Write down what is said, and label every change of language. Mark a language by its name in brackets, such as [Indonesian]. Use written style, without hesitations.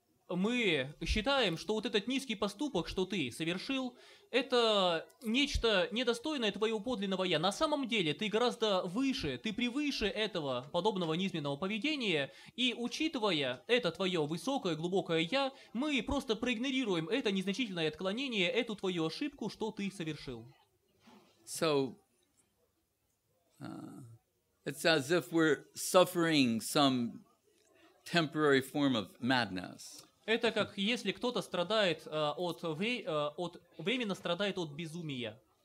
[Russian] Мы считаем, что вот этот низкий поступок, что ты совершил, это нечто недостойное твоего подлинного «я». На самом деле ты гораздо выше, ты превыше этого подобного низменного поведения, и учитывая это твое высокое, глубокое «я», мы просто проигнорируем это незначительное отклонение, эту твою ошибку, что ты совершил. [English] So, it's as if we're suffering some temporary form of madness. [Russian] Это как если кто-то страдает от временно страдает от безумия.